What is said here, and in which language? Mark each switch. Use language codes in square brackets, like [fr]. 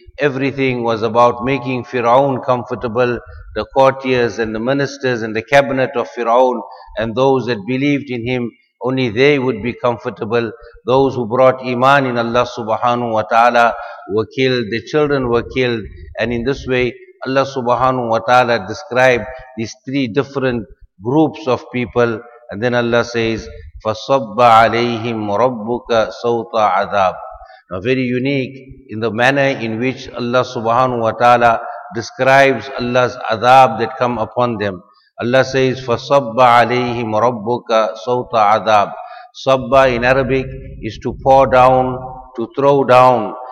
[en] Everything was about making Fir'aun comfortable, the courtiers and the ministers and the cabinet of Fir'aun, and those that believed in him, only they would be comfortable. Those who brought iman in Allah subhanahu wa ta'ala were killed, the children were killed. And in this way, Allah subhanahu wa ta'ala described these three different groups of people. And then Allah says, [ar] فَصَبَّ عَلَيْهِمْ رَبُّكَ سَوْطَ عَذَابٍ. [en] Now very unique in the manner in which Allah subhanahu wa ta'ala describes Allah's adab that come upon them. Allah says, [ar] فَصَبَّ عَلَيْهِمْ رَبُّكَ سَوْطَ عَذَابٍ. [en] Sabba in Arabic is to pour down, to throw down.